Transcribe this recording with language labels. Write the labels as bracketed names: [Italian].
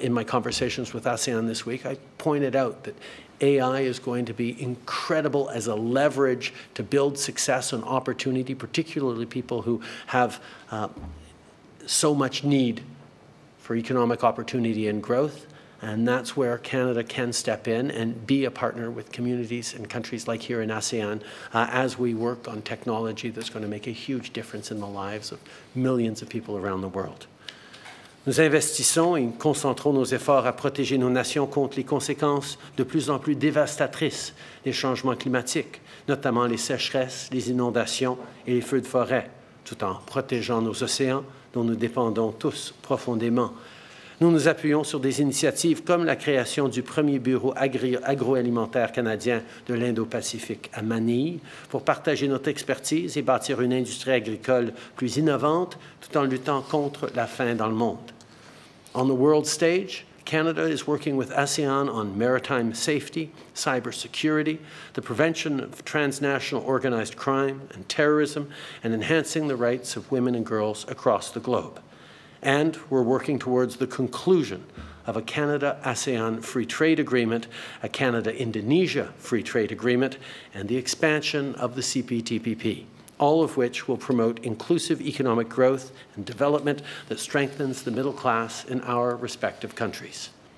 [English] In my conversations with ASEAN this week, I pointed out that AI is going to be incredible as a leverage to build success and opportunity, particularly people who have so much need for economic opportunity and growth. And that's where Canada can step in and be a partner with communities and countries like here in ASEAN as we work on technology that's going to make a huge difference in the lives of millions of people around the world. [French] Nous investissons et concentrons nos efforts à protéger nos nations contre les conséquences de plus en plus dévastatrices des changements climatiques, notamment les sécheresses, les inondations et les feux de forêt, tout en protégeant nos océans dont nous dépendons tous profondément. Nous nous appuyons sur des initiatives comme la création du premier bureau agroalimentaire canadien de l'Indo-Pacifique à Manille pour partager notre expertise et bâtir une industrie agricole plus innovante tout en luttant contre la faim dans le monde. [English] On the world stage, Canada is working with ASEAN on maritime safety, cybersecurity, the prevention of transnational organized crime and terrorism, and enhancing the rights of women and girls across the globe. And we're working towards the conclusion of a Canada-ASEAN free trade agreement, a Canada-Indonesia free trade agreement, and the expansion of the CPTPP, all of which will promote inclusive economic growth and development that strengthens the middle class in our respective countries.